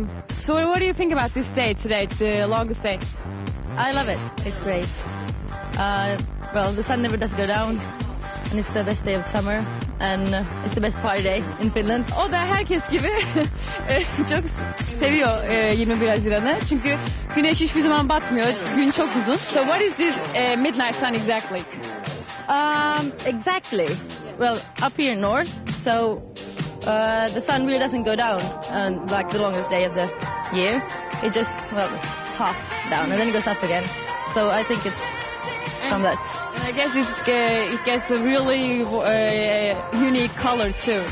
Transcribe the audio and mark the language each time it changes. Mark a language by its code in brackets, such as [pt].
[en] So what do you think about this day today, the longest day? I love it. It's great. Well, the sun never does go down, and it's the best day of summer, and it's the best party day in Finland. [tr] O da herkes gibi çok seviyor 21 Haziran'ı, çünkü güneş hiçbir zaman batmıyor, gün çok uzun. [en] So what is this midnight sun exactly? Exactly. Well, up here north, so the sun really doesn't go down, and like the longest day of the year, it just, well, half down, and then it goes up again. So I think it's from that. And I guess it gets a really unique color too.